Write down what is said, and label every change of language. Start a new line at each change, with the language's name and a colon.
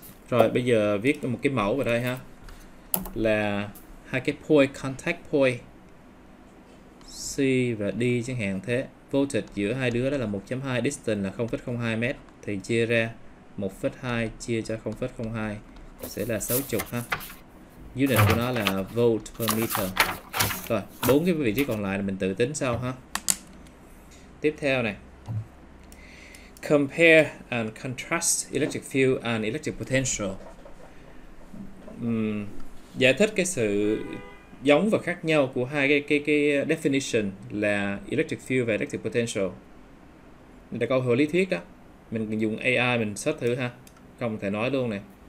Vietnamese: Rồi bây giờ viết một cái mẫu vào đây ha. Là hai cái point contact point C và D chẳng hạn thế. Voltage giữa hai đứa đó là 1.2, distance là 0.02 m thì chia ra 1,2 chia cho 0,02 sẽ là 60 ha. Unit của nó là volt per meter. Rồi, bốn cái vị trí còn lại là mình tự tính sau ha. Tiếp theo này.
English: Compare and contrast electric field and electric potential.
Vietnamese: Giải thích cái sự giống và khác nhau của hai cái definition là electric field và electric potential. Đây là câu hỏi lý thuyết đó. Mình dùng AI mình search thử ha. Không thể nói luôn nè.